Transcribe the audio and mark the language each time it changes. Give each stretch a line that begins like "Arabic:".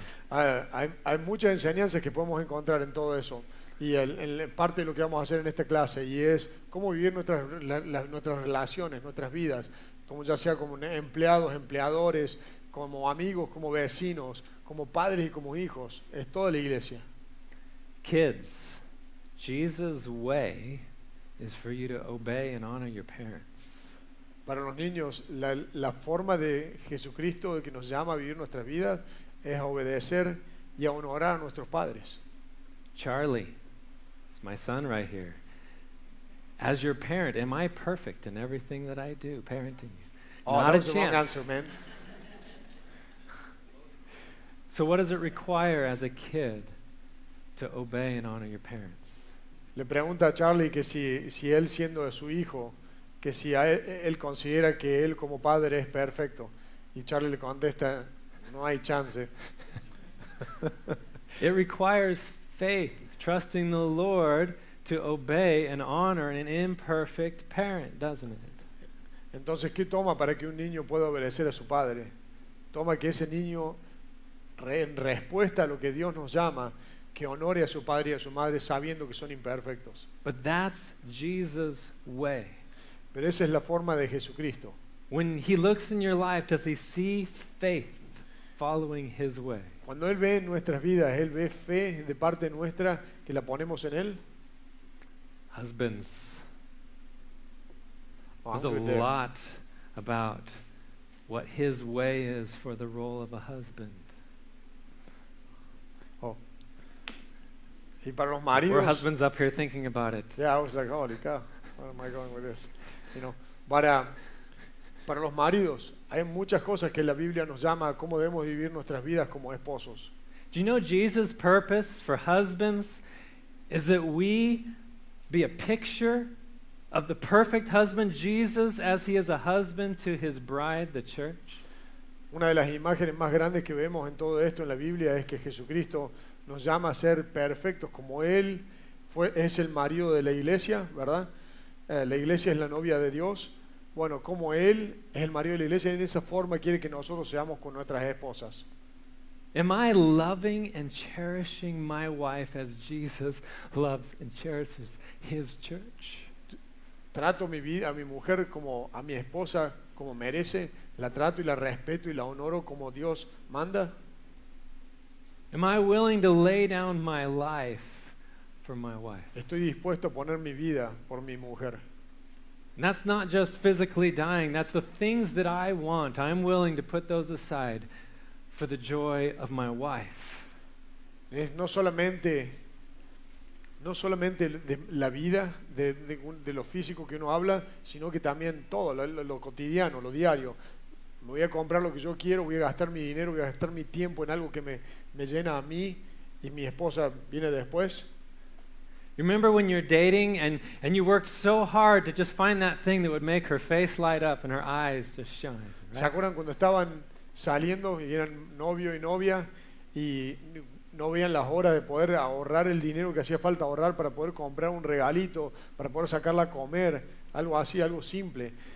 Spanish: Hay muchas enseñanzas que podemos encontrar en todo eso, y en parte de lo que vamos a hacer en esta clase, y es cómo vivir nuestras relaciones, nuestras vidas, como ya sea como empleados, empleadores, como amigos, como vecinos, como padres y como hijos, es toda la iglesia.
English: Kids, Jesus' way is for you to obey and honor your parents.
Spanish: Para los niños, la forma de Jesucristo que nos llama a vivir nuestras vidas es a obedecer y a honrar a nuestros padres.
English: Charlie, it's my son right here. As your parent, am I perfect in everything that I do, parenting you? Oh, not a chance. Wrong answer, man. So what does it require as a kid to obey and honor your parents?
Spanish: Le pregunta a Charlie que si él siendo de su hijo, que si él considera que él como padre es perfecto, y Charlie le contesta, no hay chance.
English: It requires faith, trusting the Lord to obey and honor an imperfect parent, doesn't it?
Spanish: Entonces, ¿qué toma para que un niño pueda obedecer a su padre? Toma que ese niño, en respuesta a lo que Dios nos llama, que honore a su padre y a su madre sabiendo que son imperfectos.
English: But that's Jesus' way.
Spanish: Pero esa es la forma de Jesucristo.
English: When he looks in your life, does he see faith following his way?
Spanish: Cuando él ve en nuestras vidas, él ve fe de parte nuestra que la ponemos en él.
English: Husbands, there's a lot about what his way is for the role of a husband.
Spanish: Oh. Y para los maridos.
English: We're husbands up here thinking about it. Yeah, I was like, holy cow, where am I going with this? You know,
Spanish: para los maridos hay muchas cosas que la Biblia nos llama cómo debemos vivir nuestras vidas como esposos.
English: Do you know Jesus' purpose for husbands is that we be a picture of the perfect husband Jesus as he is a husband to his bride, the church?
Spanish: Una de las imágenes más grandes que vemos en todo esto en la Biblia es que Jesucristo nos llama a ser perfectos como él fue, es el marido de la iglesia, ¿verdad? La iglesia es la novia de Dios. Bueno, como él es el marido de la iglesia, en esa forma quiere que nosotros seamos con nuestras esposas.
English: Am I loving and cherishing my wife as Jesus loves and cherishes his church?
Spanish: Trato mi vida, a mi mujer como a mi esposa como merece, la trato y la respeto y la honoro como Dios manda.
English: Am I willing to lay down my life for my wife?
Spanish: Estoy dispuesto a poner mi vida por mi mujer.
English: And that's not just physically dying, that's the things that I want. I'm willing to put those aside for the joy of my wife.
Spanish: Es no solamente de la vida, de lo físico que uno habla, sino que también todo, lo cotidiano, lo diario. Me voy a comprar lo que yo quiero, voy a gastar mi dinero, voy a gastar mi tiempo en algo que me llena a mí y mi esposa viene después.
English: You remember when you're dating and you worked so hard to just find that thing that would make her face light up and her eyes just shine, right?
Spanish: ¿Se acuerdan cuando estaban saliendo y eran novio y novia y no veían las horas de poder ahorrar el dinero que hacía falta ahorrar para poder comprar un regalito, para poder sacarla a comer, algo así, algo simple?